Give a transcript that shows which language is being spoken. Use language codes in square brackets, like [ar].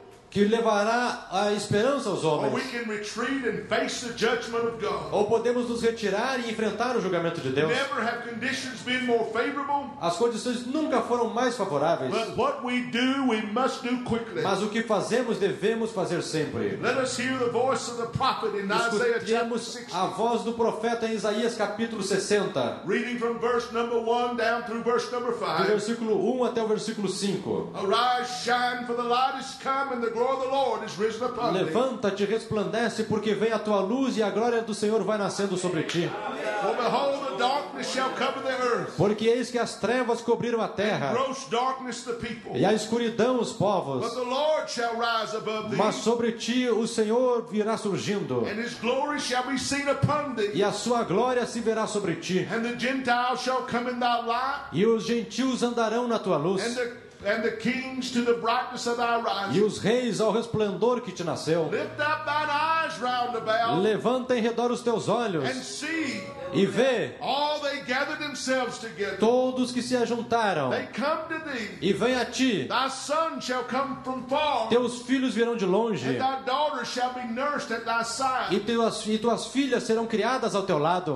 [pt] que levará a esperança aos homens. [en] Or we can retreat and face the judgment of God. [pt] Ou podemos nos retirar e enfrentar o julgamento de Deus. [en] Never have conditions been more favorable. [pt] As condições nunca foram mais favoráveis. [en] But what we do, we must do quickly. [pt] Mas o que fazemos, devemos fazer sempre. [en] Let us hear the voice of the prophet in Isaiah chapter 60. [pt] Escutemos a voz do profeta em Isaías capítulo 60. [en] Reading from verse number 1 down through verse number 5. [pt] Do versículo 1 até o versículo 5. [en] Arise, shine, for the light is come, and the glory of the Lord is risen upon thee. [pt] Levanta-te, resplandece, porque vem a tua luz e a glória do Senhor vai nascendo sobre ti. [en] For behold, the darkness shall cover the earth. [pt] Porque eis que as trevas cobriram a terra. [en] Gross darkness the people. [pt] E a escuridão os povos. [en] But the Lord shall rise above thee. [pt] Mas sobre ti o Senhor virá surgindo. [en] And his glory shall be seen upon thee. [pt] E a sua glória se verá sobre ti. [en] And the Gentiles shall come in thy light. [pt] E os gentios andarão na tua luz. [en] And the kings to the brightness of thy rising. [pt] E os reis ao resplendor que te nasceu. [en] Lift up thine eyes round about. [pt] Levanta em redor os teus olhos. [en] And see. [pt] E vê. [en] All they gathered themselves together. [pt] Todos que se ajuntaram. [en] They come to thee. [pt] E vêm a ti. [en] Thy sons shall come from far. [pt] Teus filhos virão de longe. [en] And thy daughters shall be nursed at thy side. [pt] E tuas filhas serão criadas ao teu lado.